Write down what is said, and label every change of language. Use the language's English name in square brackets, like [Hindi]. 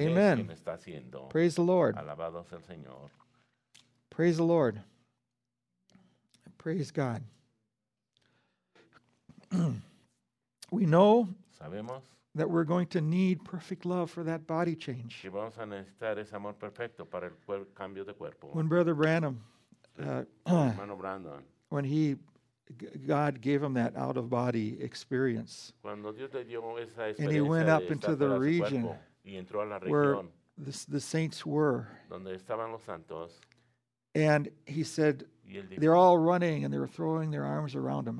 [Spanish] amen. Es quien está haciendo. [English] Praise the Lord. [Spanish] Alabado sea el Señor. [English] Praise the Lord. Praise God. We know [Spanish] sabemos [English] that we're going to need perfect love for that body change. [Spanish] Que vamos a necesitar ese amor perfecto para el cambio de cuerpo. [English] When Brother Branham, [Spanish] hermano Brandon, [English] when he God gave him that out-of-body experience. [Spanish] Cuando Dios le dio esa experiencia [English] and he went up into the region [Spanish] y entró a la [English] where the saints were. [Spanish] Donde estaban los santos. [English] And he said, they're all running and they're throwing their arms around him.